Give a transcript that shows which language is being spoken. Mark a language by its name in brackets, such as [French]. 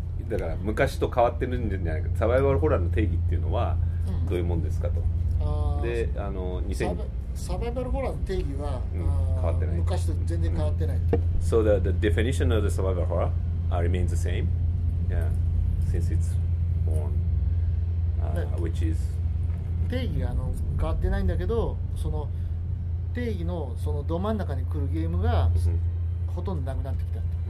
[Japanese] だから昔と変わってるんじゃないか。サバイバルホラーの定義っていうのはどういうもんですかと。で、サバイバルホラーの定義は、変わってない、昔と全然変わってない。 [English] So the definition of the survival horror remains the same, since it's born, which is [Japanese] 定義が変わってないんだけど、その定義のそのど真ん中に来るゲームがほとんどなくなってきた。